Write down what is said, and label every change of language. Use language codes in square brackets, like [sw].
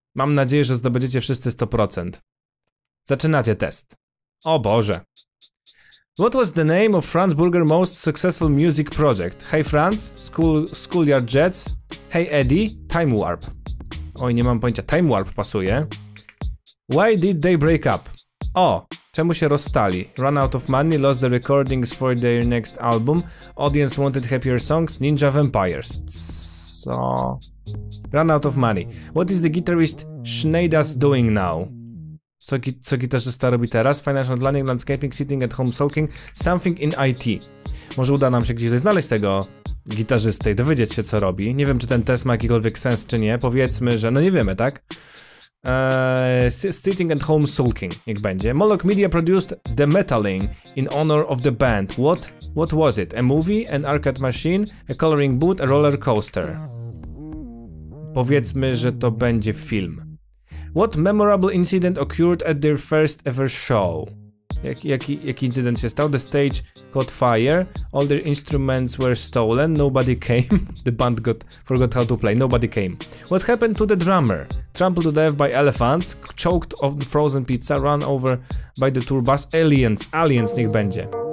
[pl] Mam nadzieję, że zdobędziecie wszyscy 100%. Zaczynacie test. O Boże. [en] What was the name of Franz Burger's most successful music project? Hey Franz, Schoolyard Jets. Hey Eddie, Time Warp. [pl] Oj, nie mam pojęcia. Time Warp pasuje. [en] Why did they break up? [pl] O! Czemu się rozstali? [en] Run out of money, lost the recordings for their next album. Audience wanted happier songs, Ninja Vampires. So, run out of money. What is the guitarist Schneider's doing now? [pl] Co gitarzysta robi teraz? [en] Financial planning, landscaping, sitting at home, sulking. Something in IT. [pl] Może uda nam się gdzieś znaleźć tego gitarzystę i dowiedzieć się, co robi. Nie wiem, czy ten test ma jakikolwiek sens, czy nie. Powiedzmy, że... No nie wiemy, tak? [en] Sitting at home sulking, [pl] niech będzie. [en] Moloch Media produced The Metaling in honor of the band. What was it? A movie? An arcade machine? A coloring boot? A roller coaster? [pl] Powiedzmy, że to będzie film. [en] What memorable incident occurred at their first ever show? [pl] Jaki incydent się stał? [en] The stage caught fire, all their instruments were stolen, nobody came, the band forgot how to play, nobody came. What happened to the drummer? Trampled to death by elephants, choked on frozen pizza, run over by the tour bus, aliens, [pl] niech będzie.